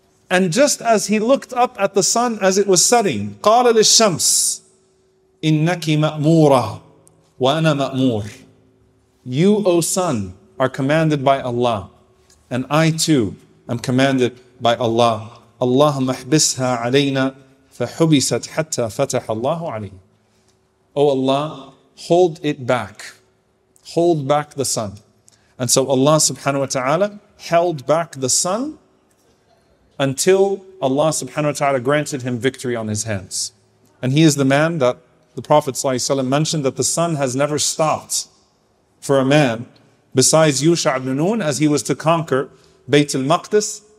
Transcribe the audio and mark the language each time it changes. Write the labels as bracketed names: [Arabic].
[English] And just as he looked up at the sun as it was setting, [Arabic] قَالَ لِلشَّمْسِ إِنَّكِ مَأْمُورًا وَأَنَا مَأْمُورٌ, [English] you, O sun, are commanded by Allah, and I too am commanded by Allah. [Arabic] اللَّهُمَّ احْبِسْهَا عَلَيْنَا فَحُبِسَتْ حَتَّى فَتَحَ اللَّهُ عَلَيْهِ, [English] O Allah, hold it back. Hold back the sun. And so Allah subhanahu wa ta'ala held back the sun until Allah subhanahu wa ta'ala granted him victory on his hands. And he is the man that the Prophet sallallahu alaihi wasallam mentioned that the sun has never stopped for a man besides Yusha ibn Nun, as he was to conquer Bayt al-Maqdis.